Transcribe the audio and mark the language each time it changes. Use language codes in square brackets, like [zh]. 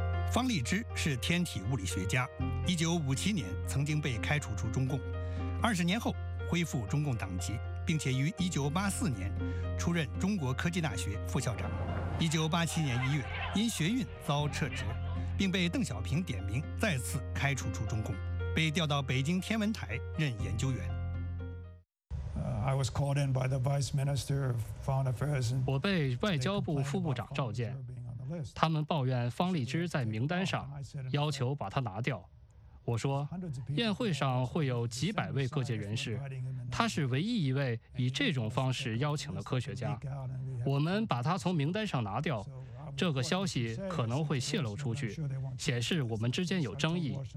[zh] 方立之是天体物理学家，1957年曾经被开除出中共，20年后恢复中共党籍，并且于1984年出任中国科技大学副校长。 1987年1月，因学运遭撤职，并被邓小平点名再次开除出中共，被调到北京天文台任研究员。 [en] I was called in by the Vice Minister of Foreign Affairs. [zh] 我被外交部副部长召见。他们抱怨方立之在名单上，要求把他拿掉。我说，宴会上会有几百位各界人士，他是唯一一位以这种方式邀请的科学家。我们把他从名单上拿掉，这个消息可能会泄露出去，显示我们之间有争议。